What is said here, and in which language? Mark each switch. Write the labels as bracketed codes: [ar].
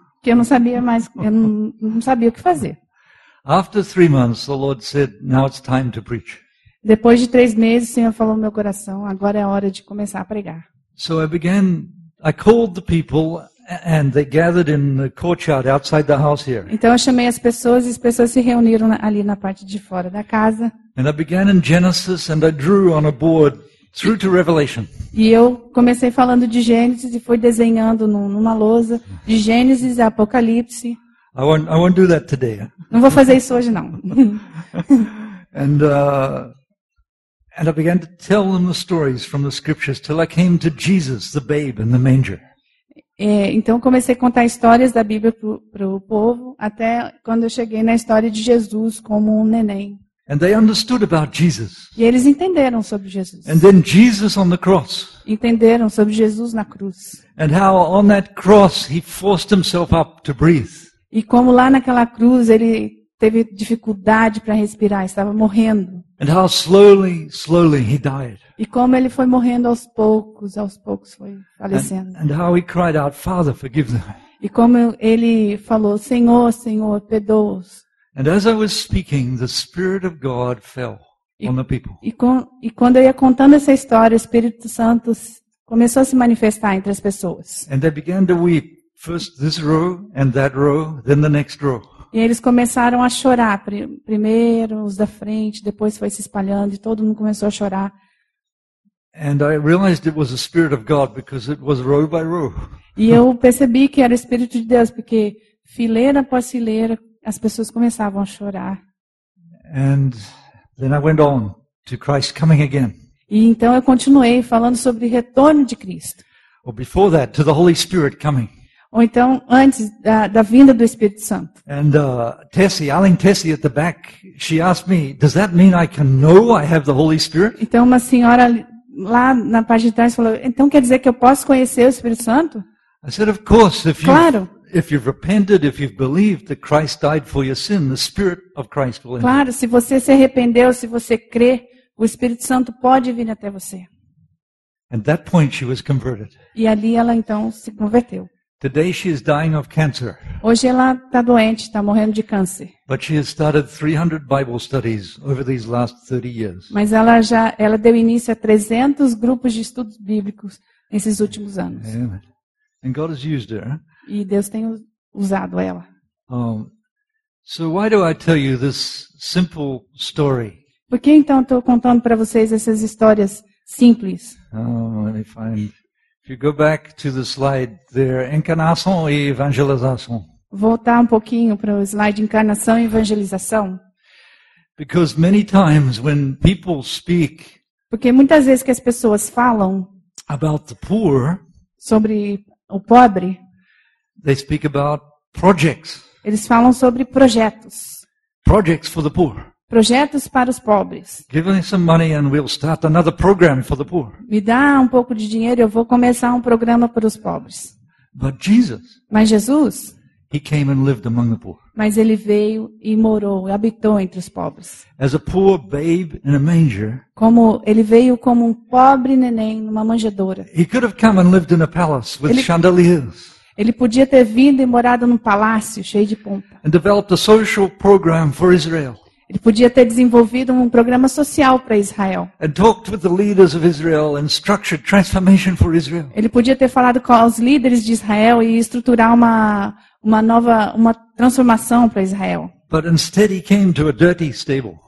[pt] Porque eu não sabia mais, eu não sabia o que fazer. [en] After 3 months, the Lord said, "Now it's time to preach." [pt] Depois de 3 meses, o Senhor falou no meu coração: agora é hora de começar a pregar. [en] So I began. I called the people, and they gathered in the courtyard outside the house here. [pt] Então eu chamei as pessoas e as pessoas se reuniram ali na parte de fora da casa. [en] And I began in Genesis, and I drew on a board. Through to Revelation. [pt] E eu comecei falando de Gênesis e fui desenhando numa lousa de Gênesis a Apocalipse. [en] I won't do that today. [pt] Não vou fazer isso hoje não. [en] And I began to tell them the stories from the scriptures till I came to Jesus, the babe in the manger. [pt] Então comecei a contar histórias da Bíblia para o povo até quando eu cheguei na história de Jesus como um neném. [en] And they understood about Jesus. [pt] E eles entenderam sobre Jesus. [en] And then Jesus on the cross. [pt] Entenderam sobre Jesus na cruz. [en] And how on that cross he forced himself up to breathe. [pt] E como lá naquela cruz ele teve dificuldade para respirar, estava morrendo. [en] And how slowly, slowly he died. [pt] E como ele foi morrendo aos poucos foi falecendo. [en] And how he cried out, "Father, forgive them." [pt] E como ele falou, "Senhor, Senhor, perdoa-os." [en] And as I was speaking, the Spirit of God fell on the people. [pt] E quando eu ia contando essa história, o Espírito Santo começou a se manifestar entre as pessoas. [en] And they began to weep, first this row and that row, then the next row. [pt] E eles começaram a chorar, primeiro os da frente, depois foi se espalhando e todo mundo começou a chorar. [en] And I realized it was the Spirit of God because it was row by row. [pt] E eu percebi que era o Espírito de Deus porque fileira após fileira as pessoas começavam a chorar. [en] And then I went on to Christ coming again. [pt] E então eu continuei falando sobre o retorno de Cristo. [en] Or before that, to the Holy Spirit coming. [pt] Ou então antes da vinda do Espírito Santo. [en] And Aline Tessie at the back, she asked me, "Does that mean I can know I have the Holy Spirit?" [pt] Então uma senhora lá na parte de trás falou, "Então quer dizer que eu posso conhecer o Espírito Santo?" [en] I said, "Of course, if you..." [pt] Claro. [en] If you've repented, if you've believed that Christ died for your sin, the Spirit of Christ will enter. [pt] Claro, se você se arrependeu, se você crê, o Espírito Santo pode vir até você. [en] At that point she was converted. [pt] E ali ela então se converteu. [en] Today she is dying of cancer. [pt] Hoje ela está doente, está morrendo de câncer. [en] But she has started 300 Bible studies over these last 30 years. [pt] Mas ela deu início a 300 grupos de estudos bíblicos nesses últimos anos. [en] And God has used her. [pt] E Deus tem usado ela. [en] So why do I tell you this simple story? [pt] Por que então estou contando para vocês essas histórias simples? [en] If you go back to the slide there, [pt] encarnação e evangelização. Voltar um pouquinho para o slide encarnação e evangelização. [en] Because many times when people speak. [pt] Porque muitas vezes que as pessoas falam. [en] About the poor. [pt] Sobre o pobre. [en] They speak about projects. [pt] Eles falam sobre projetos. [en] Projects for the poor. [pt] Projetos para os pobres. [en] Give me some money and we'll start another program for the poor. [pt] Me dá um pouco de dinheiro e eu vou começar um programa para os pobres. [en] But Jesus. [pt] Mas Jesus. [en] He came and lived among the poor. [pt] Mas ele veio e morou e habitou entre os pobres. [en] As a poor babe in a manger. [pt] Como ele veio como um pobre neném numa manjedoura. [en] He could have come and lived in a palace with chandeliers. [pt] Ele podia ter vindo e morado num palácio cheio de pompa. [en] And developed a social program for Israel. [pt] Ele podia ter desenvolvido um programa social para Israel. [en] And talked with the leaders of Israel and structured transformation for Israel. [pt] Ele podia ter falado com os líderes de Israel e estruturar uma transformação para Israel. [en] But instead he came to a dirty stable.